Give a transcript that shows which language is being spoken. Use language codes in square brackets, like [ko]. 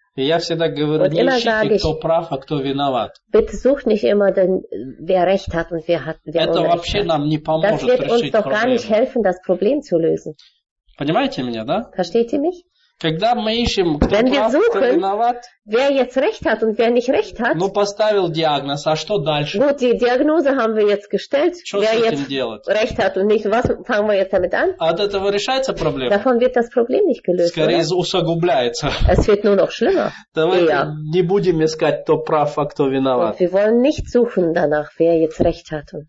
[ru] И я всегда говорю, не ищите, кто прав, а кто виноват. [de] Bitte such nicht immer, denn wer recht hat und wer hat, wer [ru] это вообще [de] hat. [ru] Нам не поможет решить проблему. [de] Das wird uns doch [ru] проблемы. [de] Gar nicht helfen, das Problem zu lösen. [ru] Понимаете меня, да? [de] Versteht ihr mich? [ru] Когда мы ищем, кто [de] wenn [ru] прав, [de] wir suchen, [ru] кто виноват, [de] wer jetzt recht hat und wer nicht recht hat, [ru] ну поставил диагноз, а что дальше? [de] Gut, die Diagnose haben wir jetzt gestellt. [ru] Что [de] wer [ru] с этим [de] jetzt [ru] делать? [de] Recht hat und nicht, was fangen wir jetzt damit an? [ru] А от этого решается проблема? [de] Davon wird das Problem nicht gelöst. [ru] Скорее усугубляется. [de] Es wird nur noch schlimmer. [ru] Давайте ja. Не будем искать, кто прав, а кто виноват. [de] Und wir wollen nicht suchen danach, wer jetzt recht hat und